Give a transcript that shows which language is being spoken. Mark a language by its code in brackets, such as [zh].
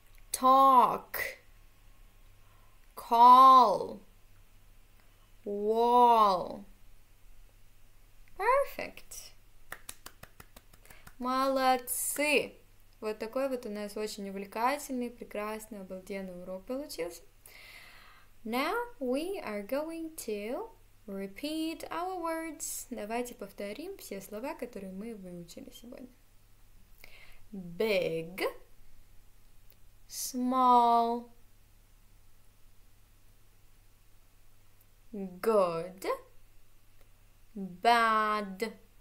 [en] Talk, call, wall. Perfect. [ru] Молодцы! Вот такой вот у нас очень увлекательный, прекрасный, обалденный урок получился. [en] Now we are going to repeat our words. [ru] Давайте повторим все слова, которые мы выучили сегодня. [en] Big. Small, good, bad,